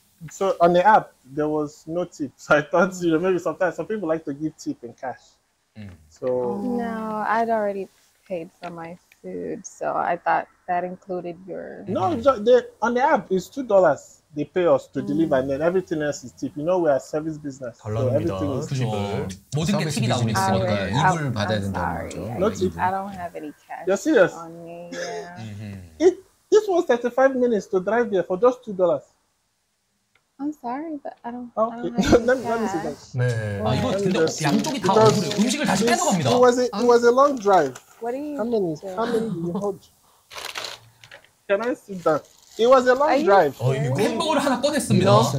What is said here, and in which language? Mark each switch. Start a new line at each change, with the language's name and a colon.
English: So on the app there was no tip. So I thought, you know, maybe sometimes some people like to give tip in cash. So no, I'd already paid for my food, so I thought that included your. No, on the app it's $2. They pay us to deliver, and then everything else is tip. You know, we are service business, so everything is tip.
Korean: 모든 게 팁이 나오니까 이불 받아야 된다는 거죠.
English: No tip. I don't have any cash. You're serious? On me, yeah. This was 35 minutes to drive there for just $2. I'm sorry, but I don't. Okay. Let me see that.
Korean: 네. 아 이거 근데 양쪽이 다 음식을 다시 빼는 겁니다.
English: It was a long drive. What do you? How many do you hold? Can I see that? It was a long drive.
Korean: 어, 햄버거를 하나 꺼냈습니다.